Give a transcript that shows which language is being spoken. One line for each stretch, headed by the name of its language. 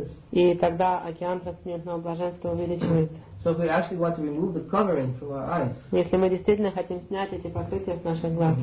Russian: И тогда океан трансцендентного блаженства увеличивается.
English: So if we actually want to remove the covering from our eyes,
Russian: если мы действительно хотим снять эти покрытия с наших глаз,